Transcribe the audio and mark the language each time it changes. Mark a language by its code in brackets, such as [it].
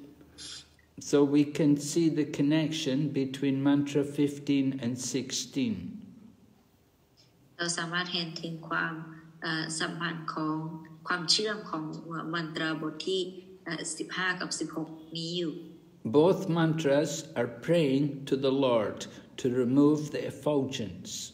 [en] So we can see the connection between mantra 15 and 16 [th] เราสามารถเห็นถึงความสัมพันธ์ของความเชื่อมของมนตราบทที่15กับ16นี้อยู่ [en] Both mantras are praying to the Lord to remove the effulgence.